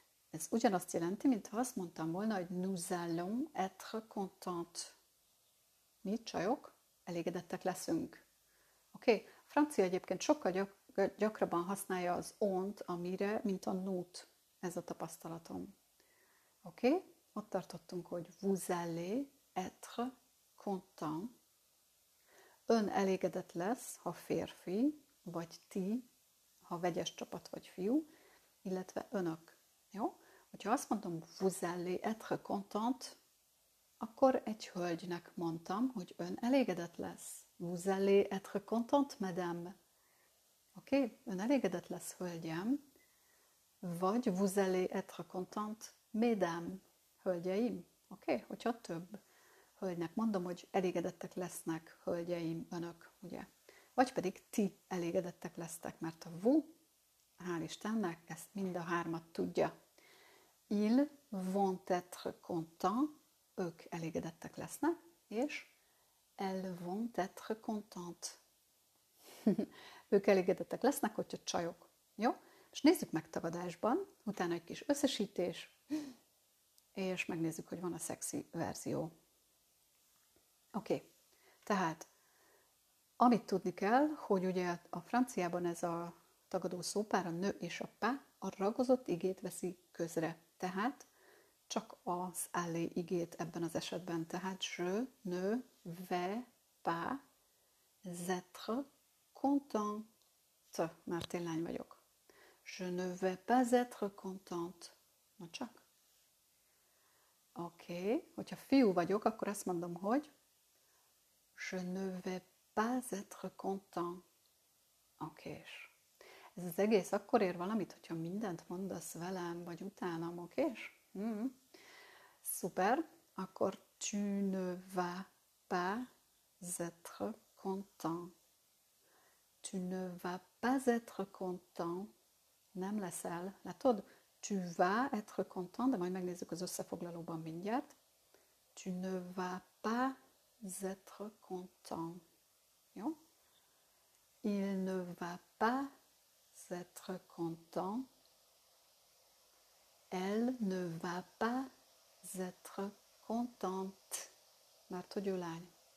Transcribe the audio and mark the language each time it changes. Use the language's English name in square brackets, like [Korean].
[Hungarian] Ez ugyanazt jelenti, mint ha azt mondtam volna, hogy [French] nous allons être contente. [Hungarian] Mi csajok, elégedettek leszünk. Oké? Okay? Francia egyébként sokkal gyakrabban használja az ont, amire, mint a nous-t. Ez a tapasztalatom. Oké? Okay? Ott tartottunk, hogy [French] vous allez être content. [Hungarian] Ön elégedett lesz, ha férfi, vagy ti, ha vegyes csapat vagy fiú, illetve önök. Jó? Hogyha azt mondom, [French] vous allez être content, [Hungarian] akkor egy hölgynek mondtam, hogy ön elégedett lesz. [French] Vous allez être content, madame. [Hungarian] Oké? Ön elégedett lesz, hölgyem. Vagy [French] vous allez être content, madame. [Hungarian] Hölgyeim, oké? Okay? Hogyha több hölgynek mondom, hogy elégedettek lesznek hölgyeim, önök, ugye? Vagy pedig ti elégedettek lesztek, mert a vous, hál' Istennek, ezt mind a hármat tudja. [French] Ils vont être contents, [Hungarian] ők elégedettek lesznek, és [French] elles vont être contentes. [Hungarian] Ők elégedettek lesznek, hogyha csajok, jó? És nézzük meg tagadásban, utána egy kis összesítés, és megnézzük, hogy van a szexi verzió. Oké, tehát, amit tudni kell, hogy ugye a franciában ez a tagadó szópár, a nő és a pa, a ragozott igét veszi közre. Tehát, csak az allé igét ebben az esetben. Tehát, [French] je, ne, ve, pa, être, contente. [Hungarian] Mert én lány vagyok. [French] Je ne vais pas être contente. [Hungarian] Na csak. Oké, okay. Hogyha fiú vagyok, akkor azt mondom, hogy [French] je ne vais pas être content. [Hungarian] Oké, okay. Ez az egész akkor ér valamit, hogyha mindent mondasz velem, vagy utánam, oké? [English] Okay. Mm. [Hungarian] Szuper, akkor [French] tu ne vas pas être content. Tu ne vas pas être content. [Hungarian] Nem leszel, látod? [French] Tu vas être content, [Hungarian] de majd megnézzük az összefoglalóban mindjárt. [French] Tu ne vas pas être content. Jó? Il ne va pas être content. Elle ne va pas être contente. [Hungarian] Mert hogy ő lány.